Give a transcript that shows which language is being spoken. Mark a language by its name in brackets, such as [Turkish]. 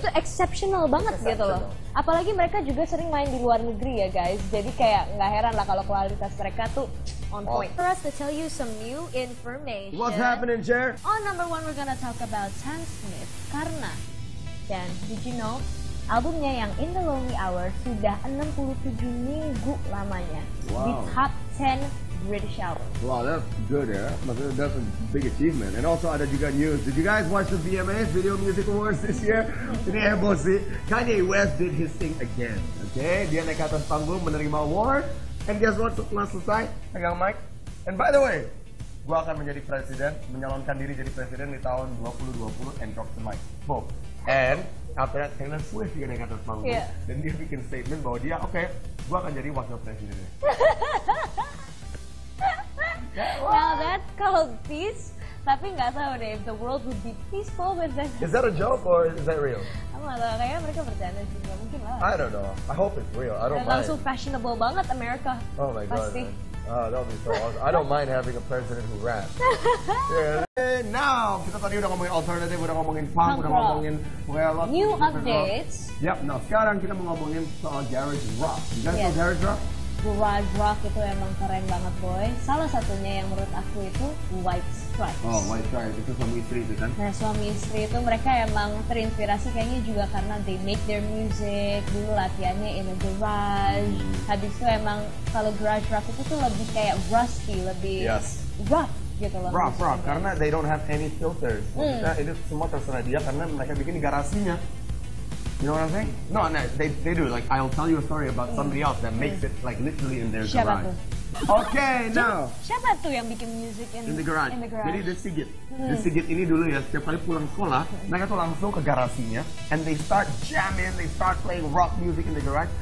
[Indonesian] Itu exceptional banget, [English] exceptional [Indonesian] gitu loh. Apalagi mereka juga sering main di luar negeri ya guys, jadi kayak nggak heran lah kalau kualitas mereka tuh [English] on point. For us to tell you some new information. What's happening, Jer? On number one, we're gonna talk about Sam Smith, [Indonesian] karena, [English] Dan, did you know? [Indonesian] Albumnya yang In the Lonely Hour sudah 67 minggu lamanya. [English] Wow. [Indonesian] Di top 10 British albums. [English] Wow, that's good [Indonesian] ya. Maksudnya [English] that's a big achievement. And also [Indonesian] ada juga [English] news. Did you guys watch the VMAs, Video Music Awards this year? Ini heboh sih. Kanye West did his thing again. [Indonesian] Okay, dia naik atas panggung menerima award. [English] And guess what, [Indonesian] setelah selesai, pegang mic. [English] And by the way, [Indonesian] gua akan menjadi presiden, menyalonkan diri jadi presiden di tahun 2020 [English] and drop the mic. [Indonesian] Boom. [English] And after that, Taylor Swift dia naik atas panggung. Yeah. [Indonesian] Dan dia bikin statement bahwa dia, okay, gua akan jadi wakil presiden. [English] Now that's called peace. [Indonesian] Tapi gak tahu deh, [English] if the world would be peaceful with that. Is that a joke or is that real? [Indonesian] Aku gak tau, kayaknya mereka bercanda sih, gak mungkin lah. [English] I don't know, I hope it's real, I don't [Indonesian] mind. Langsung fashionable banget Amerika. [English] Oh my god. [Indonesian] Pasti. [English] That'll be so awesome. I don't mind having a president who raps. [Indonesian] Yeah. Now, kita tadi udah ngomongin alternative, udah ngomongin punk, udah ngomongin [English] well, new updates. [Indonesian] Yep. Nah, sekarang kita mau ngomongin soal garage rock. [English] You guys know garage rock? [Indonesian] Garage rock itu emang keren banget, boy. Salah satunya yang menurut aku itu White Stripes. Oh, White Stripes itu suami istri itu kan? Nah, suami istri itu mereka emang terinspirasi kayaknya juga karena [English] they make their music [Indonesian] dulu latihannya [English] in a garage. [Indonesian] Mm-hmm. Habis itu emang kalau garage rock itu tuh lebih kayak rusty, lebih rough. Gitu loh, [English] rock, [Indonesian] karena [English] they don't have any filters. [Indonesian] Maksudnya itu semua terserah dia karena mereka bikin di garasinya. [English] You know what I'm saying? No, no, they do. Like, I'll tell you a story about somebody else that makes it like literally in their [Indonesian] siapa [English] garage. Okay, now. [Indonesian] Siapa tuh yang bikin music in [English] the garage? In the garage. [Indonesian] Jadi [English] the Sigit. [Indonesian] The Sigit ini dulu ya, setiap kali pulang sekolah, mereka tuh langsung ke garasinya. [English] And they start jamming, they start playing rock music in the garage.